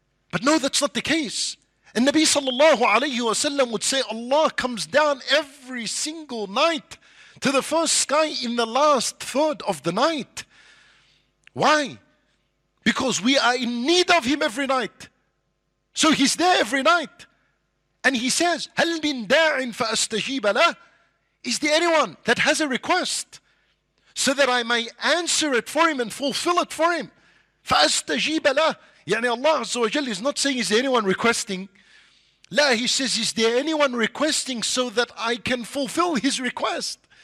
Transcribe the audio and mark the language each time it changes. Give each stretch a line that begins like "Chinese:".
English: But no, that's not the case. And Nabi sallallahu alayhi wa sallam would say, Allah comes down every single night to the first sky in the last third of the night. Why? Because we are in need of Him every night. So He's there every night. And He says,
Arabic: هَلْ مِنْ دَاعٍ فَأَسْتَجِيبَ لَهُ.
English: Is there anyone that has a request so that I may answer it for him and fulfill it for him?
Arabic: فَأَسْتَجِيبَ لَهُ.
English: Yani Allah Azza wa Jal is not saying, is there anyone requesting? La, He says, is there anyone requesting so that I can fulfill his request?